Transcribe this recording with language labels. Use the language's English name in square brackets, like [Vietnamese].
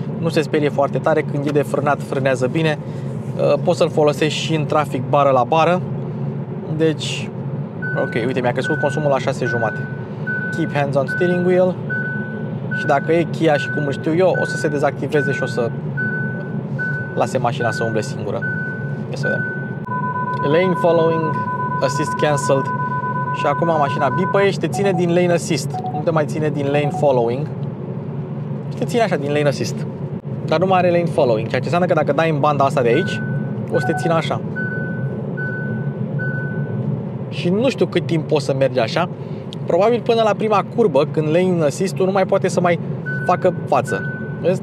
[Romanian] Nu se sperie foarte tare, când e de frânat, frânează bine. Poți să-l folosești și în trafic bară la bară. Deci, ok, uite, mi-a crescut consumul la 6,5. [English] Keep hands on steering wheel. [Romanian] Și dacă e Kia și cum știu eu, o să se dezactiveze și o să lase mașina să umble singură. Ia să vedem. [English] Lane following, assist cancelled. [Romanian] Și acum mașina bipăiește, ține din lane assist. Nu te mai ține din lane following. Și te ține așa, din lane assist. Dar nu mai are lane following, ceea ce înseamnă că dacă dai în banda asta de aici, o să te țină așa. Și nu știu cât timp poți să mergi așa, probabil până la prima curbă, când lane assist-ul nu mai poate să mai facă față. Vezi?